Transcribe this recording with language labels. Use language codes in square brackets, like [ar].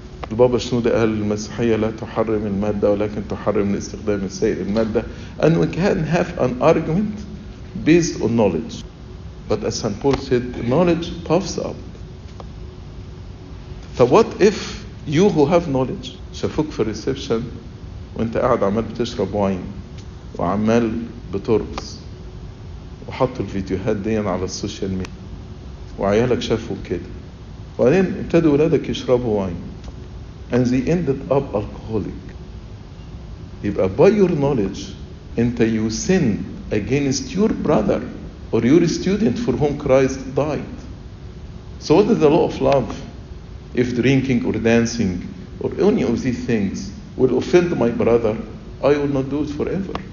[ar] البابا شنودة قال المسيحية لا تحرم المادة ولكن تحرم استخدام السائل المادة. [en] And we can have an argument based on knowledge. But as St. Paul said, knowledge puffs up. So what if you who have knowledge [ar] شافوك في الريسبشن وانت قاعد عمال بتشرب واين وعمال بترقص وحطوا الفيديوهات دي على السوشيال ميديا وعيالك شافوا كده وبعدين ابتدوا ولادك يشربوا واين [en] and they ended up alcoholic. [ar] يبقى [en] by your knowledge [ar] انت [en] you sin against your brother or your student for whom Christ died. So what is the law of love if drinking or dancing or any of these things will offend my brother, I will not do it forever.